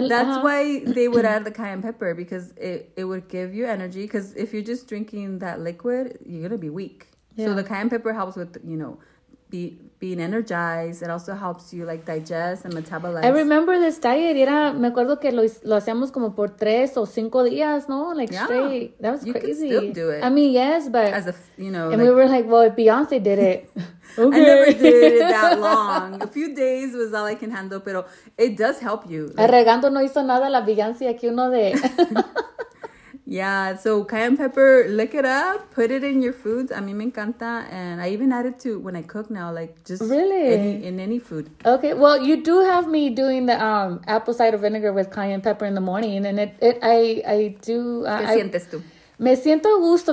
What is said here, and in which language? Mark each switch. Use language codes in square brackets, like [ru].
[en] That's why they would add the cayenne pepper, because it would give you energy. Because if you're just drinking that liquid, you're going to be weak. Yeah. So the cayenne pepper helps with, you know, being energized. It also helps you, like, digest and metabolize. I remember this diet. [es] Era, me acuerdo que lo hacíamos como por tres o cinco días, ¿no? [en] Like, yeah. Straight. That was crazy. You could still do it. I mean, yes, but... As a, you know... And like, we were like, well, if Beyonce did it... Okay. I never did it that long. A few days was all I can handle, [es] pero [en] it does help you. [es] Arregando no hizo nada la Beyonce aquí uno de... [en] Yeah, so cayenne pepper, lick it up, put it in your foods. [es] A mí me encanta, [en] and I even add it to when I cook now, like just really in any food. Okay, well, you do have me doing the apple cider vinegar with cayenne pepper in the morning, and [es] ¿Qué sientes tú? Me siento a gusto.